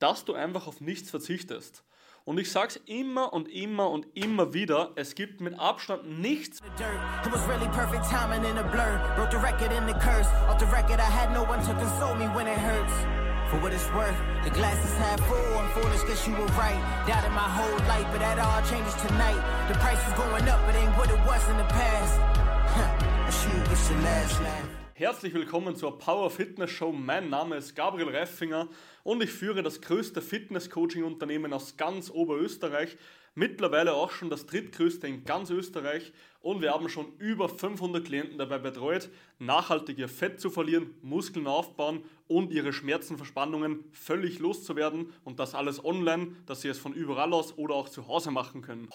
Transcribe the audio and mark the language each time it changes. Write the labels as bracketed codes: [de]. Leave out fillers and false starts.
[de] dass du einfach auf nichts verzichtest. Und ich sag's immer und immer und immer wieder, es gibt mit Abstand nichts. [en] For what it's worth, the glass is half full, I'm foolish, guess you were right. Doubted my whole life, but that all changes tonight. The price is going up, it ain't what it was in the past. I should get your last laugh. [de] Herzlich willkommen zur Power Fitness Show. Mein Name ist Gabriel Reifinger und ich führe das größte Fitness-Coaching-Unternehmen aus ganz Oberösterreich. Mittlerweile auch schon das drittgrößte in ganz Österreich und wir haben schon über 500 Klienten dabei betreut, nachhaltig ihr Fett zu verlieren, Muskeln aufbauen und ihre Schmerzen, Verspannungen völlig loszuwerden und das alles online, dass sie es von überall aus oder auch zu Hause machen können.